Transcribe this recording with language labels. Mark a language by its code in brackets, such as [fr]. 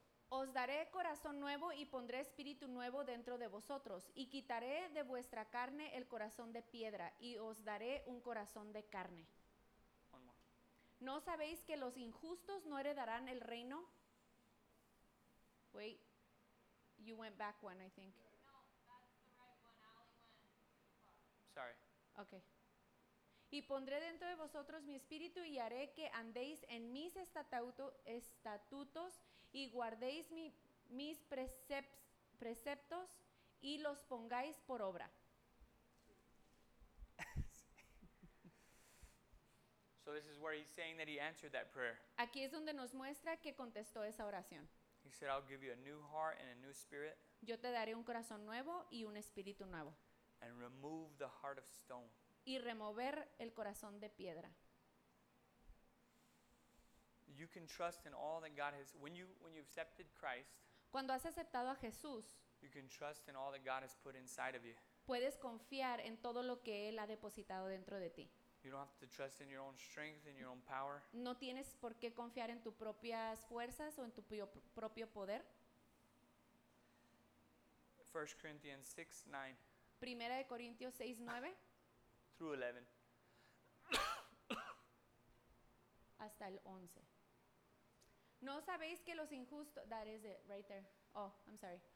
[es] Os daré corazón nuevo y pondré espíritu nuevo dentro de vosotros y quitaré de vuestra carne el corazón de piedra y os daré un corazón de carne. [en] One more. [es] ¿No sabéis que los injustos no heredarán el reino? [en] Wait, you went back one, I think. No, that's the right one. I only went too far. Sorry. Okay. [es] Y pondré dentro de vosotros mi espíritu y haré que andéis en mis estatutos y guardéis mis preceptos y los pongáis por obra. [en] So this is where he's saying that he answered that prayer. [es] Aquí es donde nos muestra que contestó esa oración. [en] He said, I'll give you a new heart and a new spirit. [es] Yo te daré un corazón nuevo y un espíritu nuevo. [en] And remove the heart of stone. [es] Y remover el corazón de piedra. [en] You can trust in all that God has when you've accepted Christ. [es] Cuando has aceptado a Jesús. [en] You can trust in all that God has put inside of you. [es] Puedes confiar en todo lo que él ha depositado dentro de ti. [en] You don't have to trust in your own strength and your own power. [es] No tienes por qué confiar en tus propias fuerzas o en tu propio poder. [en] 1 Corinthians 6:9. [es] Primera de Corintios 6:9. [en] Through 11. [es] Hasta el 11. No sabéis que los injustos, [en] that is it, right there. Oh, I'm sorry.